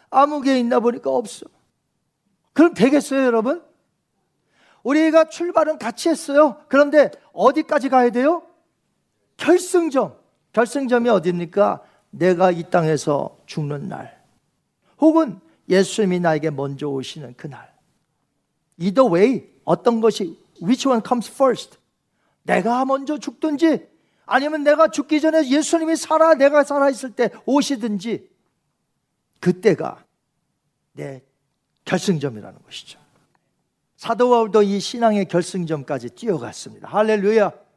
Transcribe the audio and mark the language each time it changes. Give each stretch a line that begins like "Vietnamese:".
Korean: 아무개 있나 보니까 없어. 그럼 되겠어요, 여러분? 우리가 출발은 같이 했어요. 그런데 어디까지 가야 돼요? 결승점. 결승점이 어디입니까? 내가 이 땅에서 죽는 날. 혹은 예수님이 나에게 먼저 오시는 그날.
English: Either way,
Korean: 어떤 것이,
English: which one comes first?
Korean: 내가 먼저 죽든지, 아니면 내가 죽기 전에 예수님이 살아, 내가 살아있을 때 오시든지, 그때가 내 결승점이라는 것이죠. 사도 바울도 이 신앙의 결승점까지 뛰어갔습니다. 할렐루야.